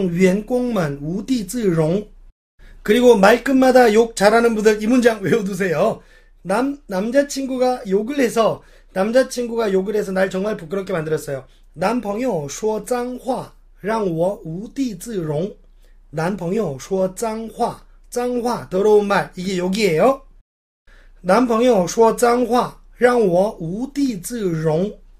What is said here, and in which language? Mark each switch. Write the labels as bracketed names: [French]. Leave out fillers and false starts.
[Chinese] 这个月的业绩让员工们无地自容. [Korean] 그리고 말끝마다 욕 잘하는 분들 이 문장 외워두세요. 남자친구가 욕을 해서 날 정말 부끄럽게 만들었어요. [Chinese] 男朋友说脏话让我无地自容.男朋友说脏话. [Korean] 脏话 더러운 말 이게 욕이에요. [Chinese] 男朋友说脏话让我无地自容.